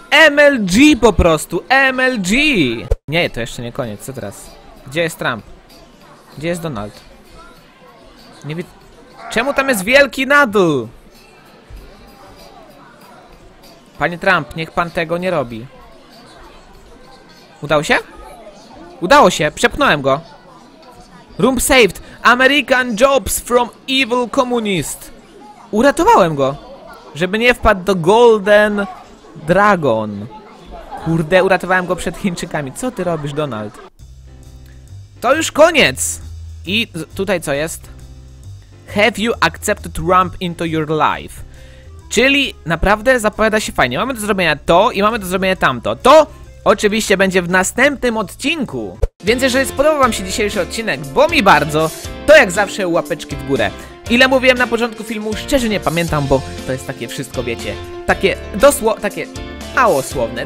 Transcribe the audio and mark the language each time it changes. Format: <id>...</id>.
<pl>MLG po prostu, MLG! Nie, to jeszcze nie koniec, co teraz? Gdzie jest Trump? Gdzie jest Donald? Nie wiem. Czemu tam jest wielki na dół? Panie Trump, niech pan tego nie robi. Udało się? Udało się, przepchnąłem go.</pl> <en>Room saved, American jobs from evil communist.</en> <pl>Uratowałem go, żeby nie wpadł do Golden Dragon. Kurde, uratowałem go przed Chińczykami. Co ty robisz, Donald? To już koniec. I tutaj co jest?</pl> <en>Have you accepted Trump into your life?</en> <pl>Czyli naprawdę zapowiada się fajnie. Mamy do zrobienia to i mamy do zrobienia tamto. To oczywiście będzie w następnym odcinku. Więc jeżeli spodobał wam się dzisiejszy odcinek, bo mi bardzo, to jak zawsze łapeczki w górę. Ile mówiłem na początku filmu, szczerze nie pamiętam, bo to jest takie wszystko, wiecie, takie takie małosłowne.</pl>